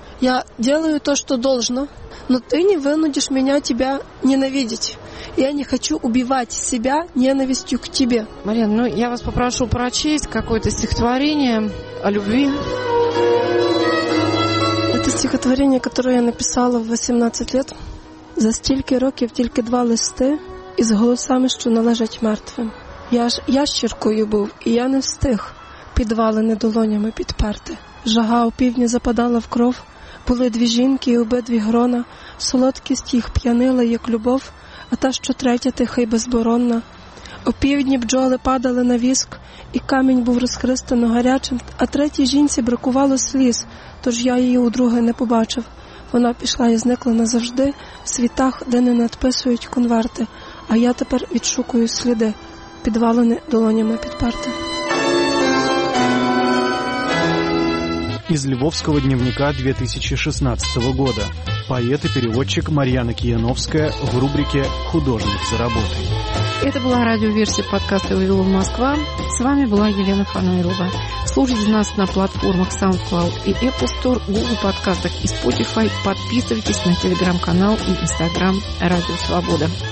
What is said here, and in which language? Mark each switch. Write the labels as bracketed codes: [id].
[ru] Я делаю то, что должно, но ты не вынудишь меня тебя ненавидеть. Я не хочу убивать себя ненавистью к тебе. Марин, ну я вас попрошу прочесть какое-то стихотворение о любви. Это стихотворение, которое я написала в 18 лет. [uk] За стільки років тільки два листи із голосами, що належать мертвим. Я ж ящіркою був, і я не встиг підвалини долонями підперти. Жага опівдні западала в кров, були дві жінки і обидві грона. Солодкість їх п'янила, як любов, а та, що третя, тиха й безборонна. Опівдні бджоли падали на віск, і камінь був розхристано гарячим, а третій жінці бракувало сліз, тож я її удруге не побачив. Вона пішла і зникла назавжди в світах, де не надписують конверти. А я тепер відшукую сліди, підвалені долонями підперти. Із Львовського дневника 2016 року. [ru] поэт и переводчик Марьяна Кияновская в рубрике «Художник за работой». Это была радиоверсия подкаста «Вавилон, Москва». С вами была Елена Фанайлова. Слушайте нас на платформах SoundCloud и Apple Store, Google подкастах и Spotify. Подписывайтесь на телеграм-канал и инстаграм «Радио Свобода».